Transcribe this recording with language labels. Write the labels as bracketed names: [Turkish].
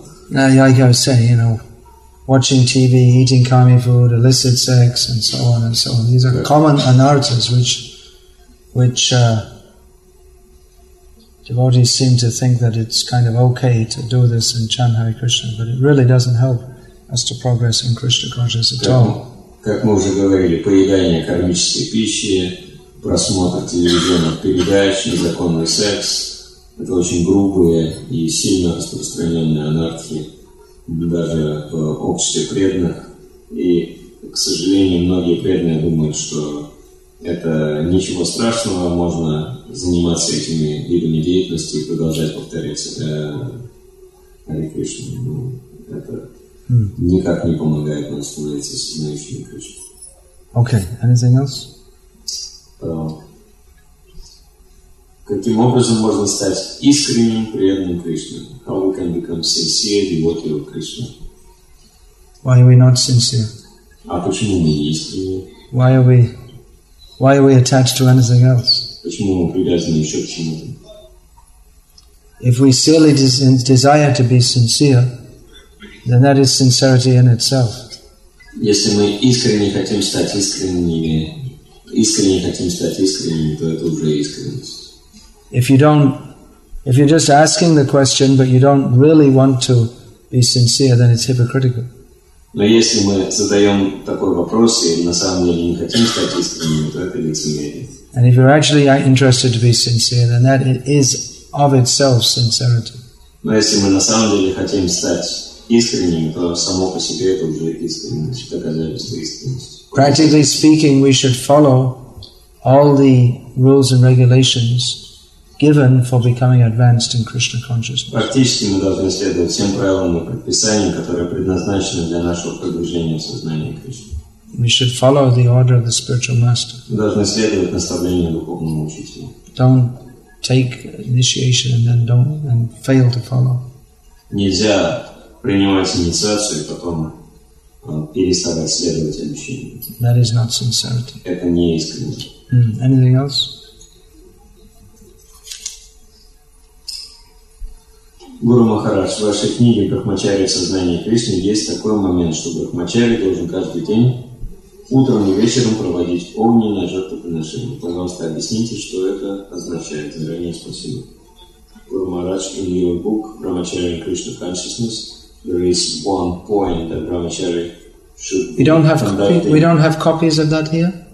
[English] Now, like I was saying, you know, watching TV, eating kami food, illicit sex, and so on and so on. These are common anarthas which devotees seem to think that it's kind of okay to do this and chant Hare Krishna, but it really doesn't help us to progress in Krishna consciousness at all. [Russian] Как мы уже говорили, поедание кармической пищи, просмотр телевизионных передач, незаконный секс – это очень грубые и сильно распространенные анарты. Даже в обществе преданных. И, к сожалению, многие преданные думают, что это ничего страшного, можно заниматься этими видами деятельности и продолжать повторять Харе Кришна, но это никак не помогает нам становиться сознающими Кришну. [English] Okay, anything else? [Russian] Каким образом можно стать искренним преданным Кришне? [English] How we can become sincere devotee of Krishna? Why are we not sincere? [Russian] А почему мы не искренние? [English] Why are we attached to anything else? [Russian] Почему мы привязаны еще к чему-то? [English] If we sincerely desire to be sincere, then that is sincerity in itself. [Russian] Если мы искренне хотим стать искренними, искренне хотим стать искренними, то это уже искренность. [English] If you're just asking the question, but you don't really want to be sincere, then it's hypocritical. [Russian] Но если мы задаем такой вопрос и на самом деле не хотим стать искренними, то это лицемерие. [English] And if you're actually interested to be sincere, then that is of itself sincerity. [Russian] Но если мы на самом деле хотим стать искренними, то само по себе это уже искренность, доказательство искренности. [English] Practically speaking, we should follow all the rules and regulations given for becoming advanced in Krishna consciousness. [Russian] Практически мы должны следовать всем правилам и предписаниям, которые предназначены для нашего продвижения сознания Кришны. [English] We should follow the order of the spiritual master. [Russian] Мы должны следовать наставлениям духовного учителя. [English] Don't take initiation and then and fail to follow. [Russian] Нельзя принимать инициацию и потом переставать следовать обещаниям. [English] That is not sincerity. [Russian] Это не искренность. [English] Anything else? [Russian] Гуру Махарадж, в вашей книге «Брахмачари в сознании Кришны» есть такой момент, что брахмачари должен каждый день утром и вечером проводить огненное жертвоприношение. Пожалуйста, объясните, что это означает. Заранее спасибо. [English] Гуру Махарадж, in your book «Брахмачари Кришна Consciousness», there is one point that brahmachari should be We don't have copies of that here?